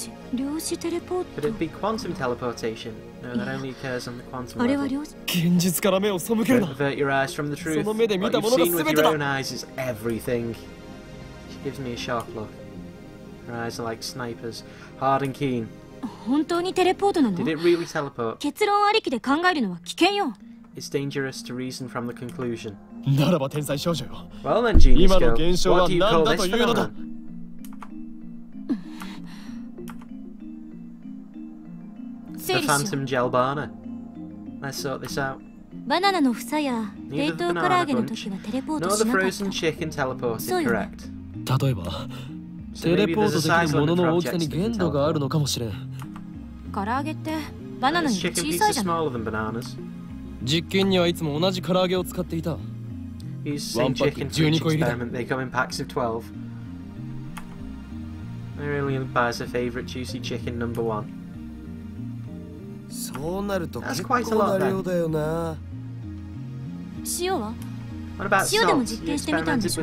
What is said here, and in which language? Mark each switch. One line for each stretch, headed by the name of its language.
English: Could it be quantum teleportation? No, that only occurs on the quantum level. Don't avert your eyes from the truth. What you've seen with your own eyes is everything. She gives me a sharp look. Her eyes are like snipers, hard and keen.
Japanese: 本当にテレポートなの？
English: Did it really teleport?
Japanese: 結論ありきで考えるのは危険よ。
English: It's dangerous to reason from the conclusion.
Japanese: ならば天才少女よ。
English: Well then, genius girl.
Japanese: 今の現象は何だというのだ。
English: The Phantom Gelbana. Let's sort this out.
Japanese: バナナの房や冷凍唐揚げの時はテレポートしなかった。
English: Nor the frozen chicken teleported, correct.
Japanese: 例えば…テレポートできるものの大きさに限度があるのかもしれん。唐揚げってバナナに小さいじゃない。実験にはいつも同じ唐揚げを使っていた。ワンパック12個入りだ。
English: They come in packs of 12. They really buy their favorite juicy chicken number one.
Japanese: そうなると結構な量だよな。塩は？塩でも実験してみたんでしょ？